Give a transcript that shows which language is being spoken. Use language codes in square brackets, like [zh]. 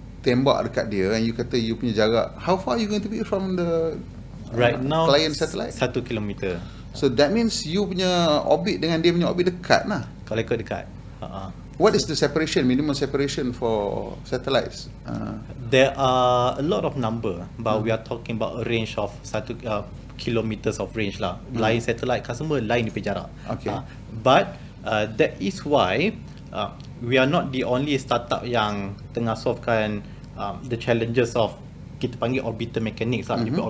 [ms] tembak dekat dia [en] and you [ms] kata [en] you [ms] punya jarak, [en] how far are you going to be from the right now client satellite? 1 kilometer. So that means you [ms] punya orbit dengan dia punya orbit dekat lah. Kalau ikut dekat. [en] What is the separation, minimum separation for satellites? There are a lot of number, but we are talking about a range of 1 kilometers of range lah. [ms] Lain satellite customer, lain dia punya jarak. [en] Okay. But that is why we are not the only startup [ms] yang tengah solvekan [en] the challenges of [ms] kita panggil [en] orbital mechanics lah. Mm-hmm.